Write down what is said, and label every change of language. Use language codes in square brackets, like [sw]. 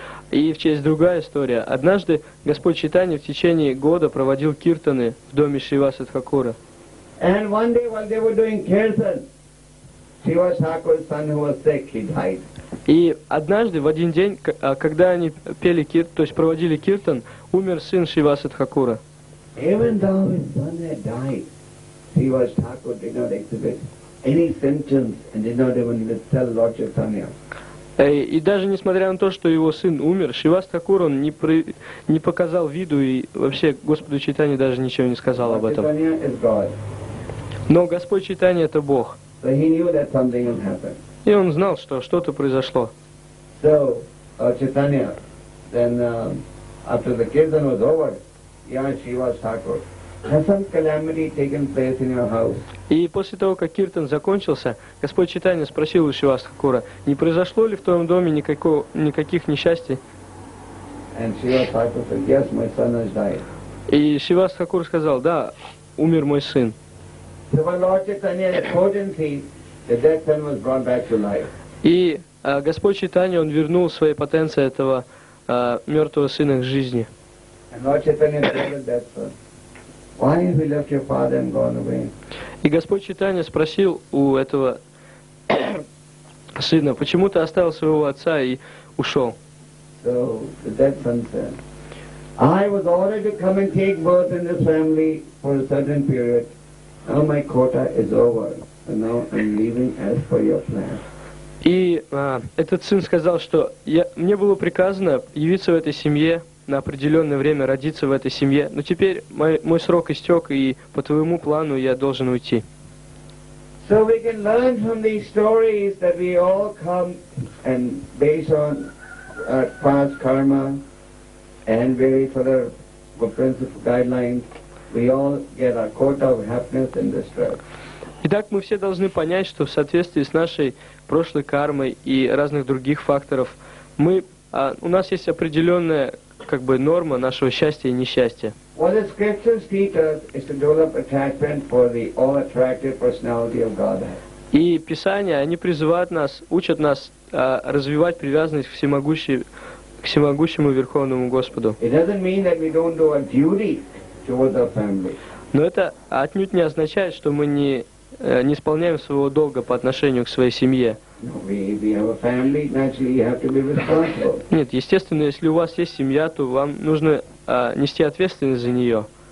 [ru] И в честь другая история. Однажды Господь Чайтанья в течение года проводил киртаны в доме Шриваса Тхакура. [en] And one day while they were doing kirtan, Shrivas Thakur's son who was sick, he died. [ru] И однажды в один день, когда они пели киртан, то есть проводили киртан, умер сын Шриваса Тхакура. [en] Even though his son had died, Shrivas Thakur did not exhibit any symptoms and did not even tell Lord Chaitanya. [ru] И даже несмотря на то, что его сын умер, Шривас Тхакур, он не показал виду и вообще Господу Чайтанье даже ничего не сказал об этом. Но Господь Чайтанья это Бог. [en] So he knew that something will happen. [ru] И он знал, что что-то произошло. [en] So, Chaitanya, then, after the kirtan was over, yeah, Shrivas Thakur, has some calamity taken place in your house? [ru] И после того, как киртан закончился, Господь Чайтанья спросил у Шривас Тхакура, не произошло ли в твоем доме никаких несчастий? [en] And Shrivas Thakur said, yes, my son has died. [ru] И Шривас Тхакур сказал, да, умер мой сын. [en] So by Lord Chaitanya's potency, the dead son was brought back to life. [ru] И Господь Чайтанья, он вернул свои потенции этого мертвого сына к жизни. [en] And Lord Chaitanya told the dead son, why have you left your father and gone away? [ru] И Господь Чайтанья спросил у этого сына, почему ты оставил своего отца и ушел? [en] So the dead son said, I was ordered to come and take birth in this family for a certain period. Now my quota is over, and now I'm leaving as per your plan. [ru] И этот сын сказал, что мне было приказано явиться в этой семье на определенное время, родиться в этой семье, но теперь мой срок истек, и по твоему плану я должен уйти. [en] So we can learn from these stories that we all come and based on past karma and various other principle guidelines, we all get our quota of happiness and distress. [ru] Итак, мы все должны понять, что в соответствии с нашей прошлой кармой и разных других факторов, у нас есть определенная как бы норма нашего счастья и несчастья. [en] What the scriptures teach us is to develop attachment for the all-attractive personality of Godhead. [ru] И Писания, они призывают нас, учат нас развивать привязанность к всемогущему Верховному Господу. [en] It doesn't mean that we don't do our duty towards our family. [ru] Но это отнюдь не означает, что мы не исполняем своего долга по отношению к своей семье. Нет, естественно, если у вас есть семья, то вам нужно нести ответственность за нее.